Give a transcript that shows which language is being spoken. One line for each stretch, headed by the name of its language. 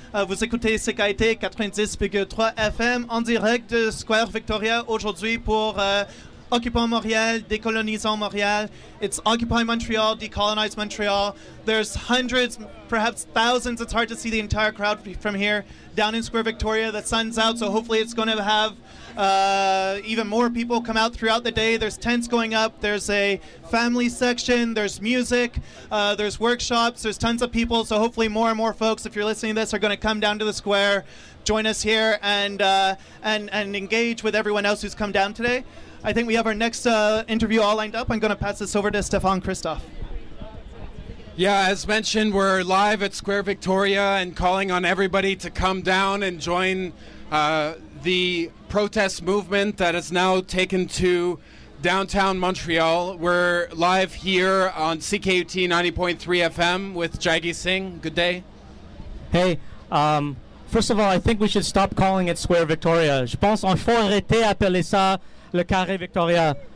French: Vous écoutez CKUT 90.3 FM en direct de Square Victoria aujourd'hui pour Occupant Montréal, décolonisant Montréal.
English: It's Occupy Montreal, decolonize Montreal. There's hundreds, perhaps thousands, it's hard to see the entire crowd from here, down in Square Victoria. The sun's out, so hopefully it's going to have even more people come out throughout the day. There's tents going up, there's a family section, there's music, there's workshops, there's tons of people, so hopefully more and more folks, if you're listening to this, are going to come down to the square, join us here, and engage with everyone else who's come down today. I think we have our next interview all lined up. I'm going to pass this over to Stefan Christophe. Yeah, as mentioned, we're live at Square Victoria and calling on everybody to come down and join the protest movement that has now taken to downtown Montreal. We're live here on CKUT 90.3 FM with Jaggi Singh. Good day. Hey. First of all, I think we should stop calling it Square Victoria.
French: Je pense qu'il faut arrêter d'appeler ça le Carré Victoria.